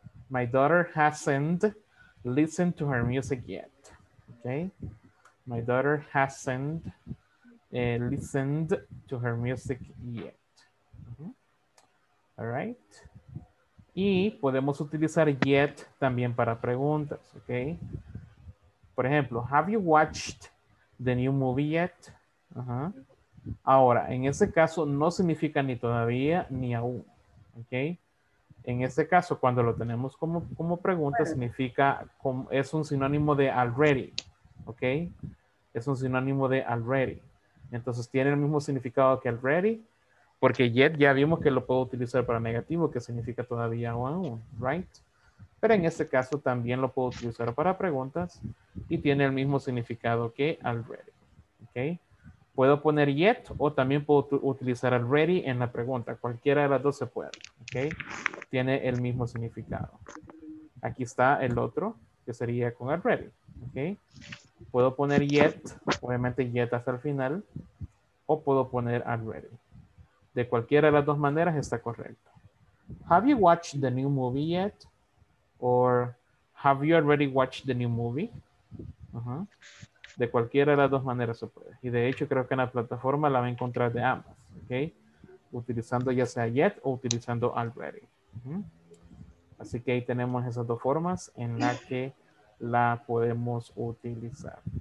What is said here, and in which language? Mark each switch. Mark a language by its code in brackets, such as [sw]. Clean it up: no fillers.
[en] My daughter hasn't listened to her music yet, ok. My daughter hasn't listened to her music yet. Uh-huh. All right. [es] Y podemos utilizar yet también para preguntas, ¿ok? Por ejemplo, [en] have you watched the new movie yet? Uh-huh. [es] Ahora, en ese caso no significa ni todavía ni aún, ¿ok? En ese caso, cuando lo tenemos como pregunta, significa, es un sinónimo de already, ¿ok? Es un sinónimo de already. Entonces, tiene el mismo significado que already, porque yet ya vimos que lo puedo utilizar para negativo, que significa todavía aún, right? Pero en este caso también lo puedo utilizar para preguntas y tiene el mismo significado que already, ¿ok? Puedo poner yet o también puedo utilizar already en la pregunta. Cualquiera de las dos se puede, ¿ok? Tiene el mismo significado. Aquí está el otro, que sería con already, ¿ok? Puedo poner yet, obviamente yet hasta el final, o puedo poner already. De cualquiera de las dos maneras está correcto. [en] Have you watched the new movie yet? Or have you already watched the new movie? Uh-huh. [es] De cualquiera de las dos maneras se puede. Y de hecho creo que en la plataforma la va a encontrar de ambas. Okay? Utilizando ya sea yet o utilizando already. Uh-huh. Así que ahí tenemos esas dos formas en las que la podemos utilizar.